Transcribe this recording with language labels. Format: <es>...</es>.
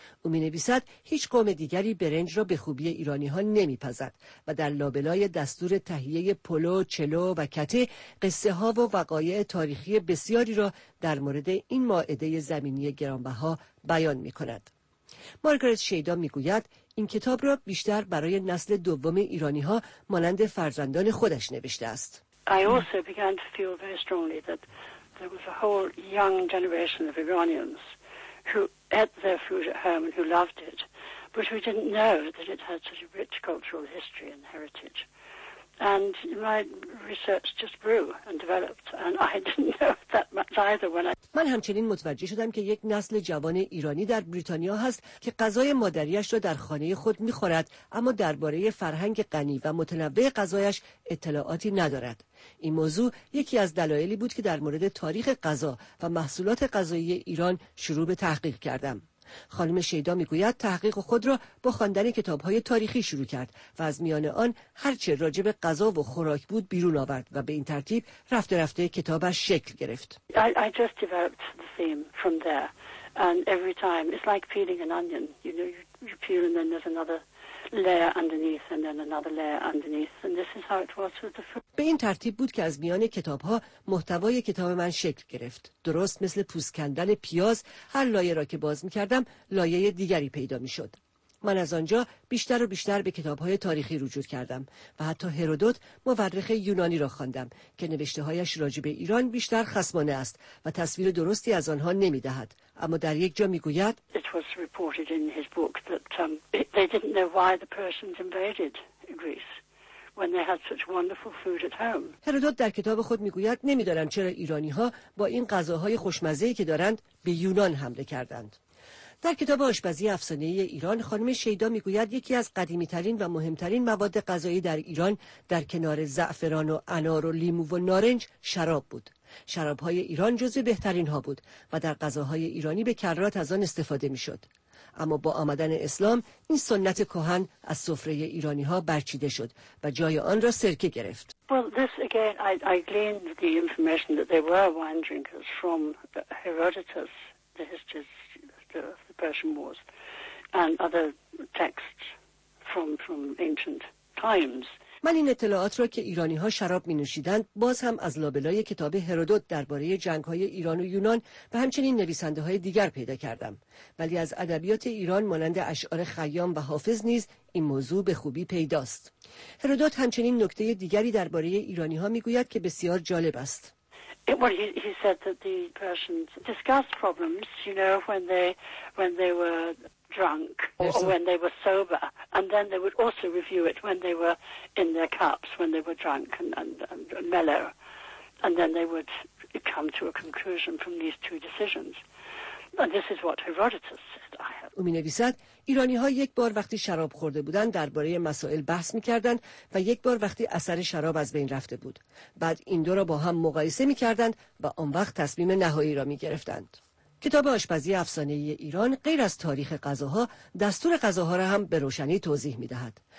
<fa>او می نویسد هیچ قوم دیگری برنج را به خوبی ایرانی ها نمی پزد و در لابلای دستور تهیه پلو، چلو و کته قصه ها و وقایع تاریخی بسیاری را در مورد این مائده زمینی گرانبها بیان می کند. مارگارت شیدا می گوید این کتاب را بیشتر برای نسل دوم ایرانی ها مانند فرزندان خودش نوشته است.</fa> <en>I also began to feel very strongly that there was a whole young generation of Iranians who ate their food at home and who loved it, but who didn't know that it had such a rich cultural history and heritage. And my research just grew and developed, and I didn't know that much either when I...</en> <fa>من همچنین متوجه شدم که یک نسل جوان ایرانی در بریتانیا هست که غذای مادریش را در خانه خود می‌خورد، اما درباره فرهنگ غنی و متنوع غذایش اطلاعاتی ندارد. این موضوع یکی از دلایلی بود که در مورد تاریخ غذا و محصولات غذایی ایران شروع به تحقیق کردم. خانم شیدا میگوید تحقیق خود را با خواندن کتاب‌های تاریخی شروع کرد و از میان آن هر چه راجع به غذا و خوراک بود بیرون آورد و به این ترتیب رفته رفته کتابش شکل گرفت.</fa> <en>I just developed the theme from there, and every time it's like peeling an onion, you know, you peel and then there's another layer underneath and then another layer underneath, and this is how it was with the food.</en> <fa>به این ترتیب بود که از میان کتاب‌ها محتوای کتاب من شکل گرفت. درست مثل پوست کندن پیاز، هر لایه را که باز می‌کردم، لایه دیگری پیدا می‌شد. من از آنجا بیشتر و بیشتر به کتاب‌های تاریخی رجوع کردم و حتی هرودوت مورخ یونانی را خواندم که نوشته‌هایش راجع به ایران بیشتر خصمانه است و تصویر درستی از آنها نمی‌دهد، اما در یک جا می‌گوید</fa> <en>It was reported in his book that they didn't know why the Persians invaded Greece. when they had such wonderful food at home.</en> <fa>هرودوت در کتاب خود میگوید نمیدانند چرا ایرانی ها با این غذاهای خوشمزه‌ای که دارند به یونان حمله کردند. در کتاب آشپزی افسانه‌ای ایران خانم شیدا میگوید یکی از قدیمی‌ترین و مهمترین مواد غذایی در ایران در کنار زعفران و انار و لیمو و نارنج شراب بود. شراب‌های ایران جزو بهترین ها بود و در غذاهای ایرانی به کرات از آن استفاده می‌شد. اما با آمدن اسلام این سنت کهن از سفره ایرانی‌ها برچیده شد و جای آن را سرکه گرفت.</fa> <en>Well, this again, I gleaned the information that they were wine drinkers from Herodotus, the histories of the Persian Wars, and other texts from ancient times.</en> <fa>من این اطلاعات را که ایرانی ها شراب می نوشیدند باز هم از لابلای کتاب هرودوت درباره جنگ های ایران و یونان و همچنین نویسنده های دیگر پیدا کردم. ولی از ادبیات ایران مانند اشعار خیام و حافظ نیز این موضوع به خوبی پیداست. هرودوت همچنین نکته دیگری درباره ایرانی ها می گوید که بسیار جالب است.</fa> <en>He said that the Persians discussed problems, you know, when they were drunk or when they were sober, and then they would also review it when they were in their cups, when they were drunk and mellow, and then they would come to a conclusion from these two decisions. And this is what Herodotus said.</en> <fa>او می نویسد ایرانی ها یک بار وقتی شراب خورده بودند درباره مسائل بحث می کردند و یک بار وقتی اثر شراب از بین رفته بود. بعد این دو را با هم مقایسه می کردند و آن وقت تصمیم نهایی را می گرفتند. کتاب آشپزی افسانه ای ایران غیر از تاریخ غذاها دستور غذاها را هم به روشنی توضیح می دهد.</fa>